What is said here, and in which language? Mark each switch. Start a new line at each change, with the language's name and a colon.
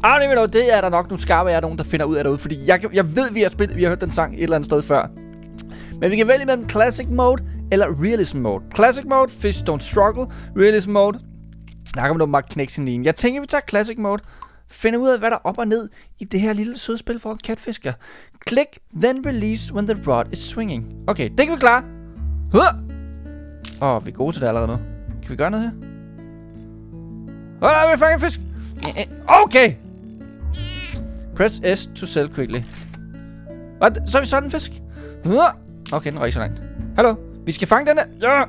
Danish: Ah, det er der nok nogle skarpe af nogen, der finder ud af derude, fordi jeg ved, vi har hørt den sang et eller andet sted før. Men vi kan vælge mellem Classic Mode eller Realism Mode. Classic Mode, Fish Don't Struggle. Realism Mode, snakker man om at knække sin line. Jeg tænker, vi tager Classic Mode. Find ud af, hvad der er op og ned i det her lille søde spil for en katfisker.
English: Click, then release when the rod is swinging.
Danish: Okay, det kan vi klare. Vi er gode til det allerede nu. Kan vi gøre noget her? Hvad er vi fanget fisk? Okay!
English: Press S to sell quickly.
Danish: Hvad? Så er vi sådan en fisk? Okay, den røg så langt. Hallo? Vi skal fange den der. Ja!